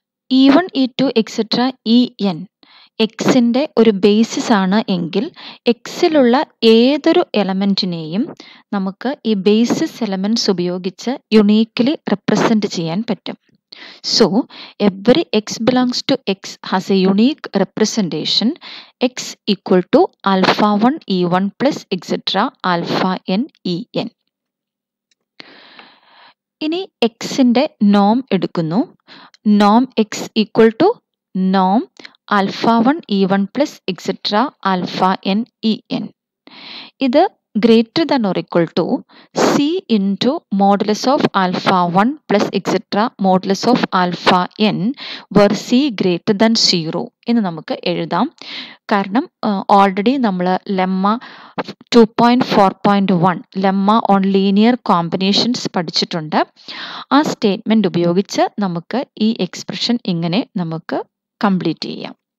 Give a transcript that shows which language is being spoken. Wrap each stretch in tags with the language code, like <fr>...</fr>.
<ml>E one E two etcetera E N എക്സിൻ്റെ ഒരു basis ആണ് എങ്കിൽ എക്സിലുള്ള ഏതൊരു എലമെൻറ്റിനെയും നമുക്ക് ഈ ബേസിസ് എലമെൻറ്റ്സ് ഉപയോഗിച്ച് യുണീക്ലി റെപ്രസെൻറ്റ് ചെയ്യാൻ പറ്റും.</ml> <en>So, every x belongs to x has a unique representation x equal to alpha 1 e 1 plus etc. alpha n e n.</en> <ml>ഇനി x ന്റെ norm എടുക്കുന്നു.</ml> <en>norm x equal to norm alpha 1 e 1 plus etc. alpha n e n. ഇത് greater than or equal to c into modulus of alpha 1 plus etc. modulus of alpha n where c greater than 0</en> <ml>എന്ന് നമുക്ക് എഴുതാം. കാരണം already നമ്മൾ lemma 2.4.1 lemma on linear combinations പഠിച്ചിട്ടുണ്ട്. ആ statement ഉപയോഗിച്ച് നമുക്ക് ഈ എക്സ്പ്രഷൻ ഇങ്ങനെ നമുക്ക് കംപ്ലീറ്റ് ചെയ്യാം.</ml>